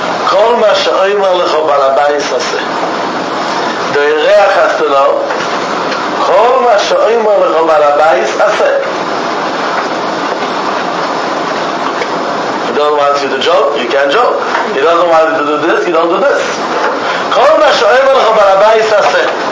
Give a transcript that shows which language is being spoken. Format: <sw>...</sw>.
<he>כל מה שאומר לך בעל הבית עשה. דיירח הסתנו, כל מה שאומר לך בעל הבית עשה.</he> <en>He doesn't want you to joke, you can't joke. He doesn't want you to do this, you don't do this.</en> <he>כל מה שאומר לך בעל הבית עשה.</he>